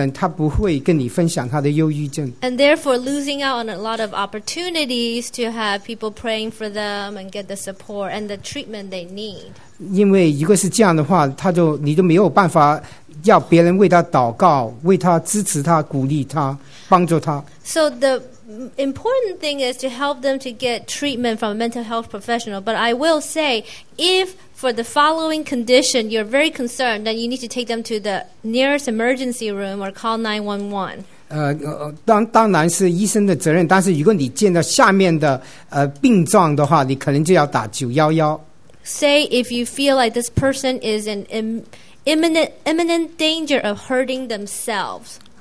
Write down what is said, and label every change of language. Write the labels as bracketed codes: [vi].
[zh] 好像那个有癌症的病人，他可能更会跟你分享他的癌症，但是一个忧郁的人，他不会跟你分享他的忧郁症。 [en] And therefore, losing out on a lot of opportunities to have people praying for them and get the support and the treatment they need. [zh] 因为如果是这样的话，他就你就没有办法。要别人为他祷告，为他支持他，鼓励他，帮助他。 [en] So the important thing is to help them to get treatment from a mental health professional. But I will say, if for the following condition you're very concerned, then you need to take them to the nearest emergency room or call 911. [zh] 当然是医生的责任，但是如果你见到下面的病状的话，你可能就要打911。 [en] Say if you feel like this person is an imminent danger of hurting themselves.